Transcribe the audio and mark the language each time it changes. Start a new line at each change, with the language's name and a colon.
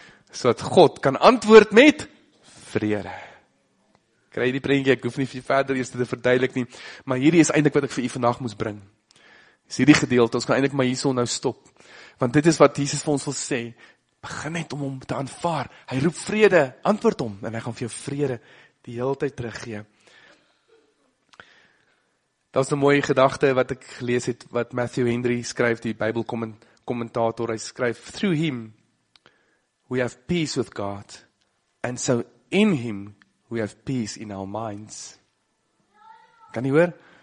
Afrikaans: So dat God kan antwoord met vrede. Kry die prentjie, ek hoef nie vir verder eerst te verduidelik nie, maar hierdie is eindelijk wat ek vir u vandag moes bring. Is hierdie gedeelte, ons kan eindelijk maar hierso nou stop. Want dit is wat Jesus vir ons wil sê. Begin net om hom te aanvaar. Hy roep vrede, antwoord hom, en hy gaan vir jou vrede die hele tyd teruggee. Dat is een mooie gedachte wat ek gelees het, wat Matthew Henry skryf, die Bybel commentator, hy skryf,
English: through him we have peace with God, and so in him we have peace in our minds.
Afrikaans: Kan jy hoor?